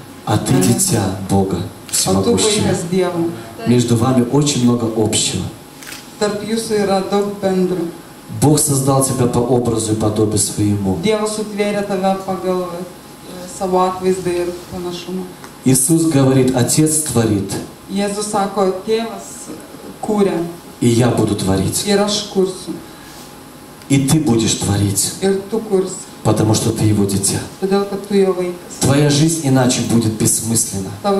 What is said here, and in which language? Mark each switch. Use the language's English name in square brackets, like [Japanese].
[Russian] А ты дитя Бога всемогущего. А ты вырос Дьявол. Между вами очень много общего. [Lithuanian] Tarp jūsų yra daug bendro. [Russian] Бог создал тебя по образу и подобию своему. [Lithuanian] Dievas sutvėrė tave pagal savo atvaizdą ir panašumą. [Russian] Иисус говорит, Отец творит. [Lithuanian] Jėzus sako, Tėvas kūrė. [Russian] И я буду творить. [Lithuanian] Ir aš kursiu. [Russian] И ты будешь творить, потому что ты его дитя. Твоя жизнь иначе будет бессмысленна.